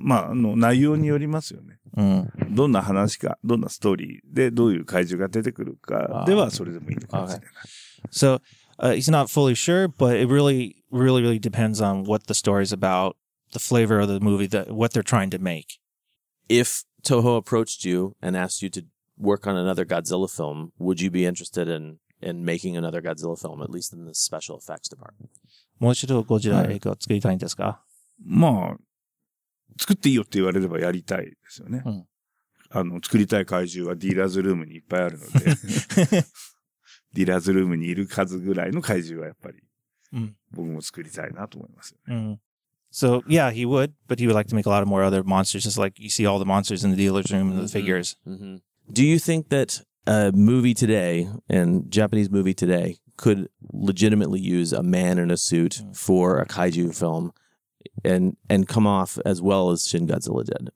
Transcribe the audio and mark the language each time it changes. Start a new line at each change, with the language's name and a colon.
Japanese: まあ、あの、内容によりますよね。どんな話か、どんなストーリーで、どういう怪獣が出てくるか、では、それでもいいのかもしれない。
English: So, he's not fully sure, but it really, really, really depends on what the story is about. The flavor of the movie, what they're trying to make. If Toho approached you and asked you to work on another Godzilla film, would you be interested in making another Godzilla film, at least in the special effects department?
Japanese: もう一度ゴジラ映画を作りたいんですか？まあ、作っていいよって言われればやりたいですよね。あの、作りたい怪獣はディーラーズルームにいっぱいあるので、ディーラーズルームにいる数ぐらいの怪獣はやっぱり、僕も作りたいなと思いますよね。
English: So, yeah, he would, but he would like to make a lot of more other monsters, just like you see all the monsters in the dealer's room and the figures. Do you think that a movie today, and Japanese movie today, could legitimately use a man in a suit for a kaiju film and come off as well as Shin Godzilla did?